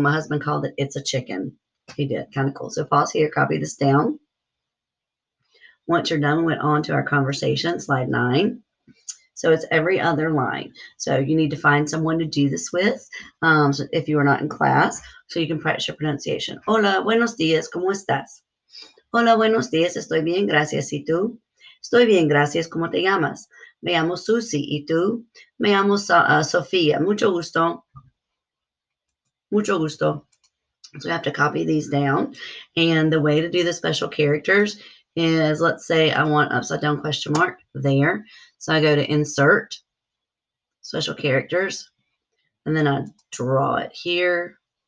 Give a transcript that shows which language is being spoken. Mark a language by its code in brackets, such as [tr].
[en] My husband called it Itza Chicken. He did. Kind of cool. So pause here. Copy this down. Once you're done, we went on to our conversation, slide 9. So it's every other line. So you need to find someone to do this with if you are not in class, so you can practice your pronunciation. [es] Hola, buenos días, ¿cómo estás? Hola, buenos días, estoy bien, gracias, ¿y tú? Estoy bien, gracias, ¿cómo te llamas? Me llamo Susie, ¿y tú? Me llamo Sofía, mucho gusto. Mucho gusto. [en] So we have to copy these down. And the way to do the special characters is, let's say I want upside down question mark there. So I go to insert, special characters, and then I draw it here.